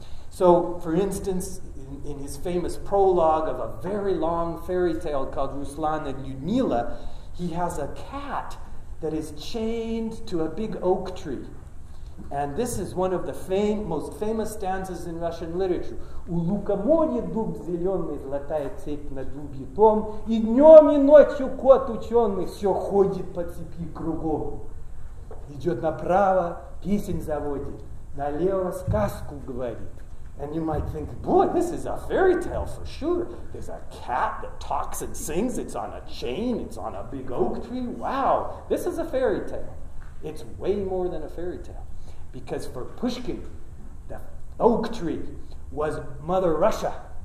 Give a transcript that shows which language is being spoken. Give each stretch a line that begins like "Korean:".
English: So, for instance, in his famous prologue of a very long fairy tale called Ruslan and Lyudmila, he has a cat that is chained to a big oak tree. And this is one of the most famous stanzas in Russian literature.
Russian: У лукоморья дуб зеленый, золотая цепь на дубе том, и днем и ночью кот ученый все ходит по цепи кругом. Идет направо, песен заводит, налево сказку говорит.
English: And you might think, boy, this is a fairy tale for sure. There's a cat that talks and sings. It's on a chain. It's on a big oak tree. Wow, this is a fairy tale. It's way more than a fairy tale. Because for Pushkin, the oak tree was Mother Russia.